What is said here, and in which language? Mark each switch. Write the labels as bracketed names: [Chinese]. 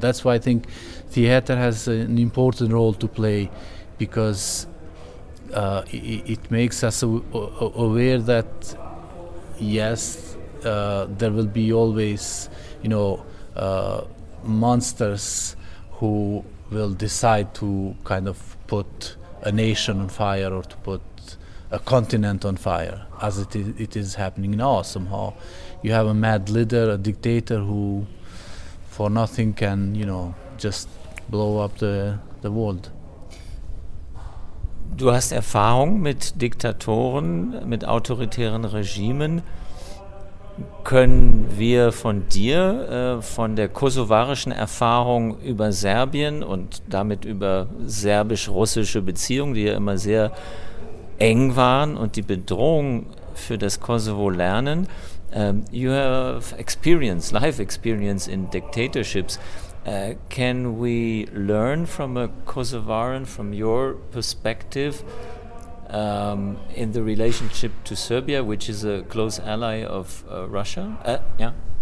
[English] That's why I think theater has an important role to play, because it makes us aware that, yes, there will be always, you know, monsters who will decide to kind of put a nation on fire, or to put a continent on fire, as it is happening now. Somehow you have a mad leader, a dictator, who for nothing can, you know, just blow up the world. [German] Du hast Erfahrung mit Diktatoren, mit autoritären Regimen. Können wir von dir, von der kosovarischen Erfahrung über Serbien und damit über serbisch-russische Beziehungen, die ja immer sehr eng waren, und die Bedrohung für das Kosovo lernen? [English] You have experience, life experience in dictatorships. Can we learn from a Kosovaran, from your perspective, in the relationship to Serbia, which is a close ally of Russia? Yeah.